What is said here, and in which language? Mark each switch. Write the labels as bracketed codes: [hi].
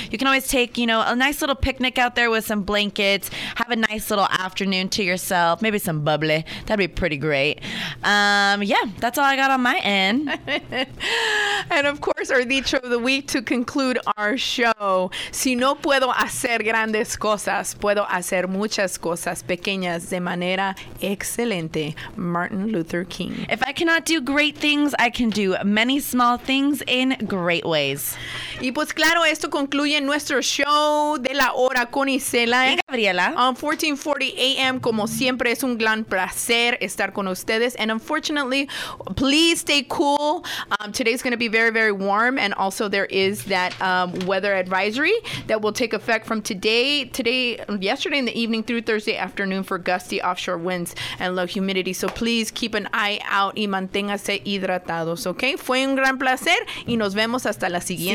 [en] You can always take, you know, a nice little picnic out there with some blankets. Have a nice little afternoon to yourself. Maybe some bubbly. That'd be pretty great. Yeah, that's all I got on my end. And of course, our dicho of the week to conclude our show. [es] Si no puedo hacer grandes cosas, puedo hacer muchas cosas pequeñas de manera excelente. [en] Martin Luther King. If I cannot do great things, I can do many small things in great ways. [es] Y pues claro, esto concluye nuestro show de la hora con Isela y Gabriela. On 1440 AM, como siempre, es un gran placer estar con ustedes. [en] And unfortunately, please stay cool. Today's going to be very, very warm. And also there is that weather advisory that will take effect from yesterday in the evening through Thursday afternoon for gusty offshore winds and low humidity. So please keep an eye out [es] y manténgase hidratados, okay? Fue un gran placer y nos vemos hasta la siguiente.